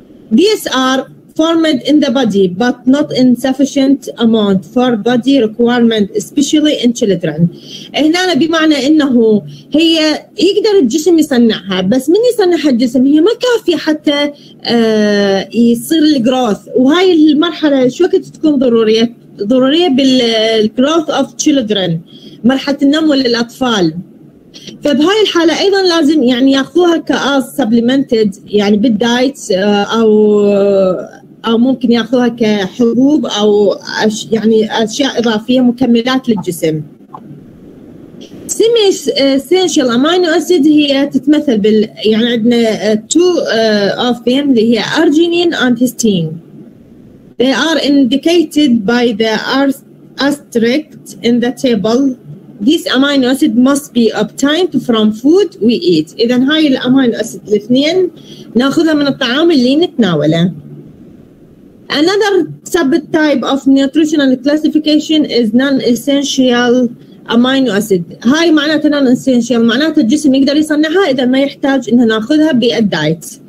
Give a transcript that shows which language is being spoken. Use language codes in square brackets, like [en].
[en] These are formed in the body but not in sufficient amount for body requirement especially in children. [ar] هنا بمعنى انه هي يقدر الجسم يصنعها، بس من يصنعها الجسم هي ما كافية حتى يصير الجروث. وهاي المرحلة شو وقت تكون ضرورية بال [en] growth of children، [ar] مرحلة النمو للأطفال. فبهاي الحالة أيضا لازم يعني يأخذوها كأز supplemented يعني بالدايت، أو ممكن يأخذوها كحبوب أو يعني أشياء إضافية مكملات للجسم. سيميس سينشال أمينو أسيد هي تتمثل بال يعني عندنا [en] two of them [ar] اللي هي أرجينين and هستين. [en] They are indicated by the asterisk in the table. These amino acid must be obtained from food we eat. [ar] إذا هاي الأمينو أسيد الاثنين نأخذها من الطعام اللي نتناوله. [en] Another subtype of nutritional classification is non-essential amino acid. [ar] هاي معناته non-essential، معناته الجسم يقدر يصنعها إذا ما يحتاج إنه نأخذها بالدايت.